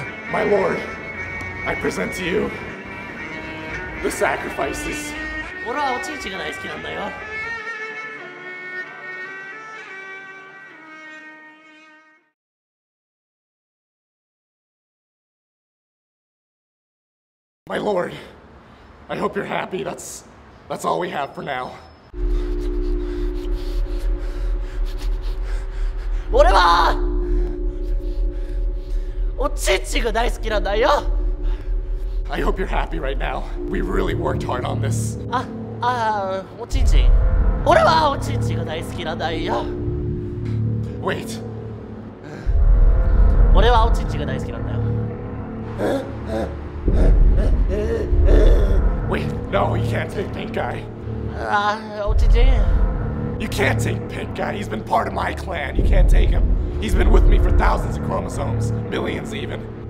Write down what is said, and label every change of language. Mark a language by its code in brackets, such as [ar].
[en] My lord, I present to you the sacrifices. [ja] 俺はおちんちんが大好きなんだよ。 [en] My lord, I hope you're happy. That's all we have for now. What am I? [ja] おちんちんが大好きなんだよ。 [en] I hope you're happy right now. We really worked hard on this. [ja] おちんちん。俺はおちんちんが大好きなんだよ。 [en] Wait. [ja] 俺はおちんちんが大好きなんだよ。 [en] Wait, no, you can't take Pink Guy. OTG? You can't take Pink Guy, he's been part of my clan. You can't take him. He's been with me for thousands of chromosomes, millions even.